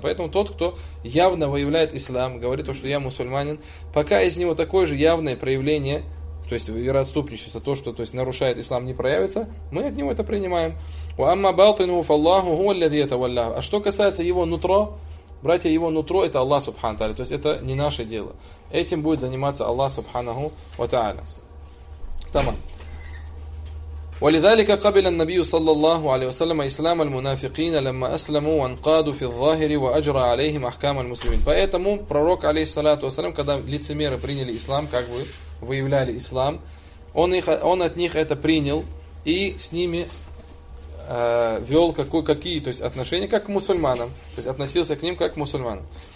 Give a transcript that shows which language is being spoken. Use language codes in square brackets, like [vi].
[ru] Поэтому тот, кто явно выявляет ислам, говорит то, что я мусульманин, пока из него такое же явное проявление, то есть вероотступничество, то, что то есть нарушает ислам, не проявится, мы от него это принимаем. [ar] «Уамма балтинуху фаллаху гу ал-лязи таваллаху». [ru] А что касается его нутро, братья, его нутро это Аллах субхану та'аля. То есть это не наше дело. Этим будет заниматься Аллах субханаху ва та'аля. Тамам. [ar] ولذلك قبل النبي صلى الله عليه وسلم اسلام المنافقين لما اسلموا وانقادوا في الظاهر واجرى عليهم احكام المسلمين. [ru] Поэтому пророк алейхиссалату вассалям, когда лицемеры приняли ислам, выявляли ислам, он от них это принял и с ними вел какие то есть отношения как к мусульманам, то есть относился к ним как к мусульманам.